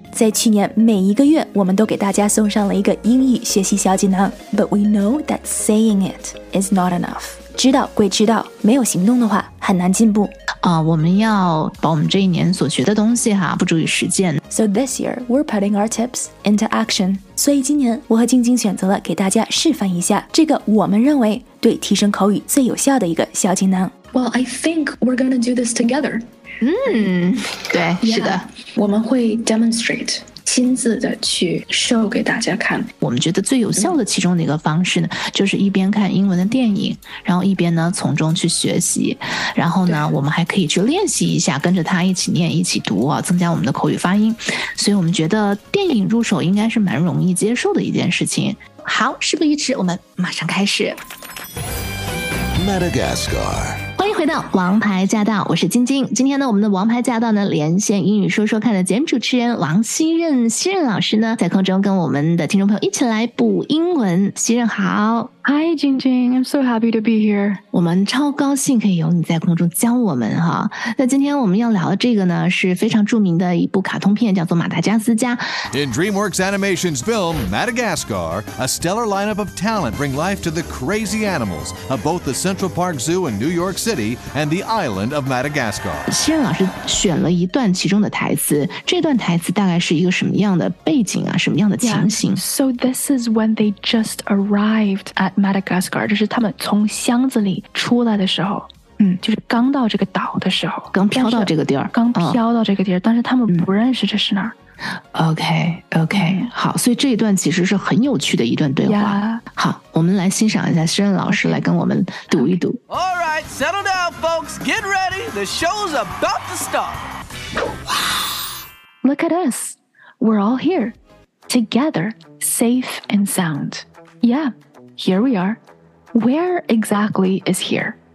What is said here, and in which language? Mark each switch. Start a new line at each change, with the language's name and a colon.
Chinese: 在去年每一个月我们都给大家送上了一个英语学习小技能。
English: But we know that saying it is not enough.
Chinese: 知道归知道，没有行动的话很难进步。我们要把我们这一年所学的东西哈，付诸于实践。
English: So this year, we're putting our tips into action.
Chinese: 所以今年我和晶晶选择了给大家示范一下这个我们认为对提升口语最有效的一个小技能。
English: Well, I think we're gonna do this together.
Chinese: 对，
English: yeah,
Chinese: 是的。我们会 demonstrate, 亲自的去 show 给大家看。我们觉得最有效的其中的一个方式呢，就是一边看英文的电影，然后一边呢从中去学习。然后呢我们还可以去练习一下，跟着他一起念一起读啊，增加我们的口语发音。所以我们觉得电影入手应该是蛮容易接受的一件事情。好，事不宜迟，我们马上开始。
English: Madagascar.
Chinese: 欢迎回到王牌驾到，我是晶晶。今天呢我们的王牌驾到呢连线英语说说看的节目主持人王熙韌，熙韌老师呢在空中跟我们的听众朋友一起来补英文。熙韌好。
English: Hi, Jingjing. I'm so happy to be here.
Chinese: 我们超高兴可以有你在空中教我们哈。那今天我们要聊的这个呢，是非常著名的一部卡通片，叫做《马达加斯加》。
English: In DreamWorks Animation's film Madagascar, a stellar lineup of talent bring life to the crazy animals of both the Central Park Zoo in New York City and the island of Madagascar.
Chinese: 熙韌老师选了一段其中的台词，这段台词大概是一个什么样的背景啊？什么样的情形
English: yeah, ？So this is when they just arrived at Madagascar,
Chinese: 就是他们从箱子里出来的时候，就是刚到这个岛的时候，刚飘到这个地儿，刚飘到这个地儿，但是他们不认识这是哪儿。 OK, 好，所以这一段其实是很有趣的一段对话。
English: Yeah.
Chinese: 好，我们来欣赏一下熙韌老师来跟我们读一读。
English: Okay. All right, settle down, folks, get ready, the show's about to start. Wow, look at us, we're all here, together, safe and sound. Yeah. Here we are. Where exactly is here?